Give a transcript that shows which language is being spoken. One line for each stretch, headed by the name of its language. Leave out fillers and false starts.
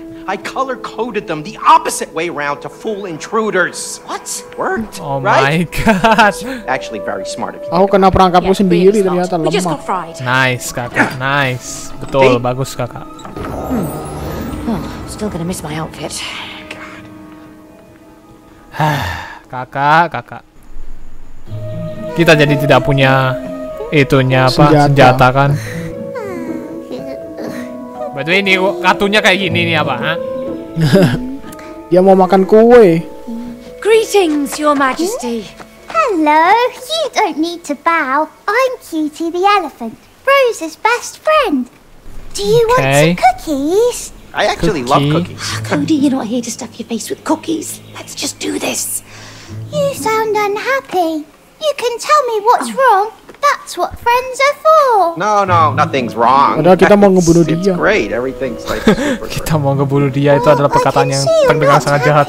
English: I color coded them the opposite way around to fool intruders. What? Worked, oh my god. Actually very smart of you.
Indonesian: Aku kena perangkapku sendiri ternyata lemah. Nice, kakak. Nice. Betul, bagus kakak.
English: Still gonna miss my outfit.
Indonesian: Kakak. Kita jadi tidak punya itunya apa? Senjata kan? Betul ini kartunya kayak gini nih apa? Dia mau makan kue.
English: Greetings, Your Majesty. Hello. You don't need to bow. I'm Cutie the Elephant, Rose's best friend. Do you want some cookies? I actually love cookies. Cody, you're not here to stuff your face with cookies. Let's just do this. You sound unhappy. You can tell me what's wrong. That's what friends are for. No, nothing's wrong.
Indonesian: Padahal kita mau ngebunuh dia.
English: It's great, everything's like super.
Indonesian: Kita mau ngebunuh dia itu adalah perkataan yang terdengar sangat jahat.